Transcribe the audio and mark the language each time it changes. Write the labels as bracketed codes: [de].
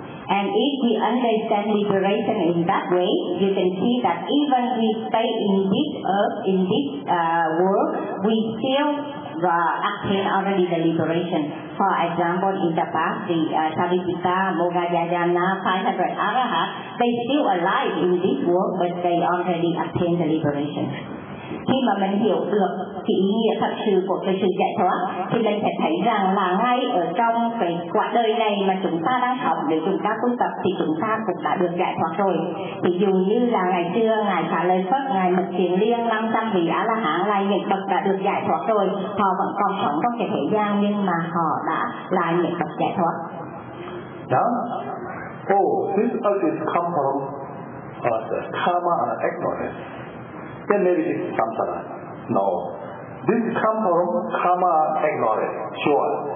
[en] And if we understand liberation in that way, you can see that even we stay in this earth, in this world, we still attain already the liberation. For example, in the past, the Sariputta, Moggallana, 500 Arahats, they still alive in this world, but they already attained the liberation. [vi] Khi mà mình hiểu được cái ý nghĩa thật sự của cái sự giải thoát thì mình sẽ thấy rằng là ngay ở trong cái quả đời này mà chúng ta đang học để chúng ta tu tập thì chúng ta cũng đã được giải thoát rồi. Thì dù như là ngày xưa ngài Xá Lợi Phất, ngài Mật Thiền Liên, 500 vị A La Hán là những bậc đã được giải thoát rồi, họ vẫn còn sống trong cái thế gian nhưng mà họ đã là những bậc giải thoát. [en] Yeah. Oh, this earth is come from karma and ignorance. Then maybe it's samsara. No. This comes from karma ignorance. Sure.